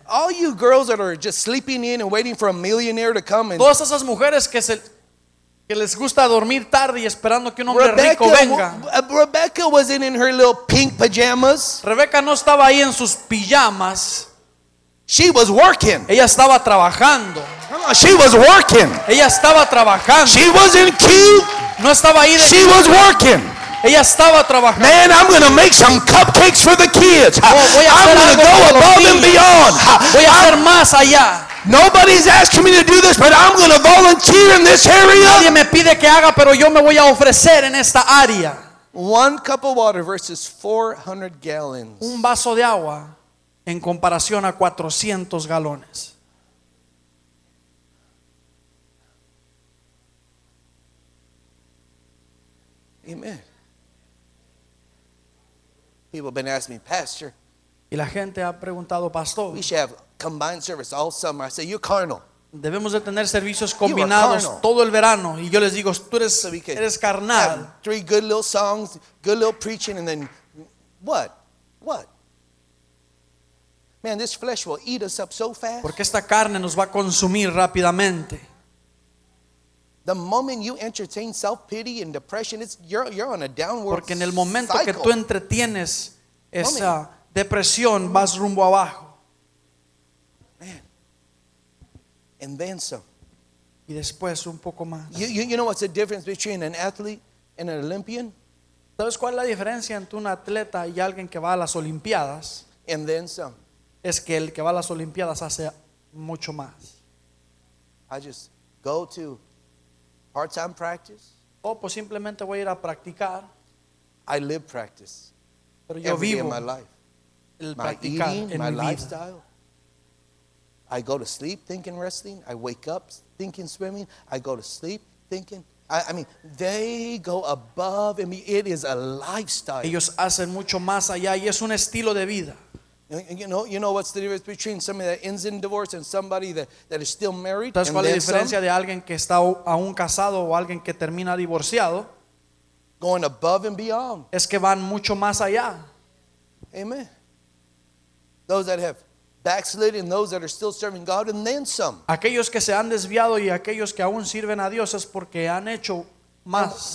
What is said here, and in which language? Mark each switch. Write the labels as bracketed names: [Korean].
[English] All you girls that are just sleeping in and waiting for a millionaire to come. [Spanish] Todas esas mujeres que se que les gusta dormir tarde y esperando que un hombre rico venga. [English] Rebecca wasn't in her little pink pajamas. [Spanish] Rebecca no estaba ahí en sus pijamas. [English] She was working. [Spanish] Ella estaba trabajando. [English] She was working. [Spanish] Ella estaba trabajando. [English] She wasn't cute. [Spanish] No estaba ahí. [English] She was working. [Spanish] Ella estaba trabajando. [English] Man, I'm going to make some cupcakes for the kids. [Spanish] Voy a hacer, [English] I'm going to go above and beyond. [Spanish] Voy a hacer más allá. [English] Nobody's asking me to do this, but I'm going to volunteer in this area. [Spanish] Nadie me pide que haga, pero yo me voy a ofrecer en esta área. [English] One cup of water versus 400 gallons. [Spanish] Un vaso de agua en comparación a 400 galones. [English] Amen. People have been asking me, Pastor. [Spanish] Y la gente ha preguntado, Pastor. [English] We should have combined service all summer. I say, you're carnal. [Spanish] Debemos de tener servicios combinados todo el verano. Y yo les digo, tú eres, so eres carnal. [English] Three good little songs, good little preaching, and then what? What? Man, this flesh will eat us up so fast. [Spanish] Porque esta carne nos va a consumir rápidamente. [English] The moment you entertain self-pity and depression, it's you're on a downward cycle. [Spanish] Porque en el momento que tú entretienes esa depresión, vas rumbo abajo. [English] Man. And then some. [Spanish] Y después un poco más. [English] You know what's the difference between an athlete and an Olympian? [Spanish] ¿Sabes cuál es la diferencia entre un atleta y alguien que va a las Olimpiadas? [English] And then some. [Spanish] Es que el que va a las Olimpiadas hace mucho más. [English] I just go to part-time practice. [Spanish] Oh, pues simplemente voy a ir a practicar. [English] I live practice. [Spanish] Pero yo [English] every [Spanish] vivo [English] day of my life. [Spanish] El [English] my eating, [Spanish] en [English] my lifestyle. I go to sleep thinking wrestling. I wake up thinking swimming. I go to sleep thinking. I mean, they go above and it is a lifestyle. [Spanish] Ellos hacen mucho más allá y es un estilo de vida. [English] You know what's the difference between somebody that ends in divorce and somebody that is still married? [Spanish] ¿Sabes cuál es la diferencia de alguien que está aún casado o alguien que termina divorciado? [English] Going above and beyond. [Spanish] Es que van mucho más allá. [English] Amen. Those that have backslidden, those that are still serving God, and then some. [Spanish] Aquellos que se han desviado y aquellos que aún sirven a Dios es porque han hecho más.